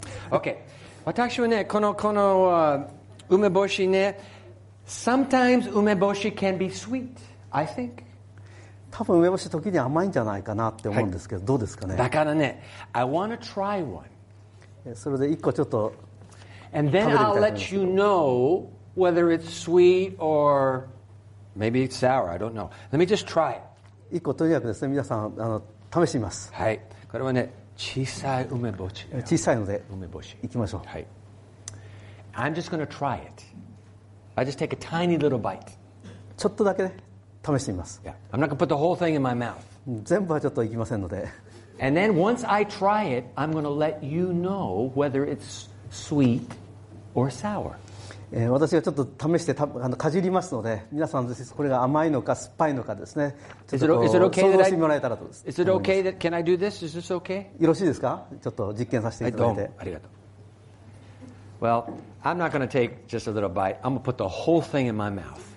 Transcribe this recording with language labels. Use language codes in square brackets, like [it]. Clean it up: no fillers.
[en] OK、 [ja] 私はね、この梅干しね、 [en] sometimes 梅干し can be sweet, I think. [ja] 多分梅干し時に甘いんじゃないかなって思うんですけど、はい、どうですかね。だからね、 [en] I want to try one. [ja] それで一個ちょっと食べてみたいと思うんですけど。 [en] And then I'll let you know whether it's sweet or maybe it's sour. I don't know. Let me just try it. [ja] 一個とにかくですね、皆さん試してみます。はい。これはね、小さい梅干し。小さいので梅干し。行きましょう。はい。 [en] I'm just going to try it. I just take a tiny little bite. [ja] ちょっとだけ、ね、試してみます。 [en] Yeah. I'm not going to put the whole thing in my mouth. [ja] 全部はちょっといきませんので。 [en] And then once I try it, I'm going to let you know whether it's sweet or sour. [ja] 私がちょっと試してかじりますので、皆さんぜひこれが甘いのか酸っぱいのかですね。 [en] Is it okay? [ja] 想像してもらえたらと。 [en] Is it okay? Can I do this? Is this okay? [ja] よろしいですか？ちょっと実験させていただいて。ありがとう。 [en] Well, I'm not going to take just a little bite. I'm going to put the whole thing in my mouth.